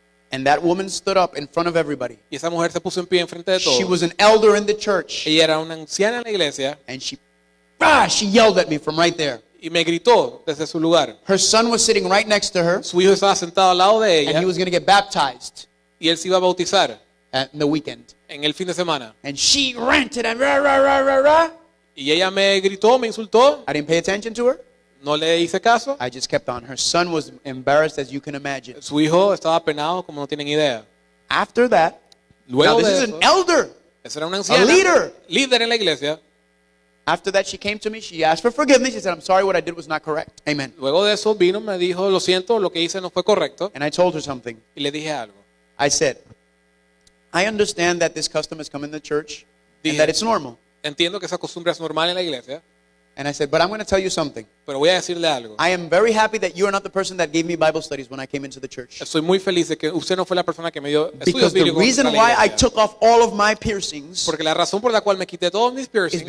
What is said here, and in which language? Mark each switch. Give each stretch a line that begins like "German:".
English: And that woman stood up in front of everybody.
Spanish: Y esa mujer se puso en pie en frente de todos.
English: She was an elder in the church.
Spanish: Ella era una anciana en la iglesia.
English: And she yelled at me from right there.
Spanish: Y me gritó desde su lugar.
English: Her son was sitting right next to her.
Spanish: Su hijo estaba sentado al lado de ella.
English: And he was going to get baptized.
Spanish: Y él se iba a bautizar.
English: At the weekend.
Spanish: En el fin de semana.
English: And she ranted and rah, rah, rah, rah, rah.
Spanish: Y ella me gritó, me insultó.
English: I didn't pay attention to her.
Spanish: No le hice caso.
English: I just kept on. Her son was embarrassed, as you can imagine.
Spanish: Su hijo estaba apenado, como no tienen idea.
English: After that,
Spanish: luego
English: now this
Spanish: de eso,
English: an elder,
Spanish: esa era una anciana,
English: a leader,
Spanish: líder en la iglesia.
English: After that, she came to me. She asked for forgiveness. She said, "I'm sorry. What I did was not correct." Amen.
Spanish: Luego de eso vino, me dijo, lo siento, lo que hice no fue correcto.
English: And I told her something.
Spanish: Y le dije algo.
English: I said, "I understand that this custom has come in the church,
Spanish: dije,
English: and that it's normal."
Spanish: Entiendo que esa costumbre es normal en la iglesia.
English: And I said, but I'm going to tell you something.
Spanish: Pero voy a decirle algo.
English: I am very happy that you are not the person that gave me Bible studies when I came into the church.
Spanish: Estoy muy feliz de que usted no fue la persona que me dio estudios bíblicos.
English: Because the reason why I took off all of my piercings.
Spanish: Porque la razón por la cual me quité todos mis piercings.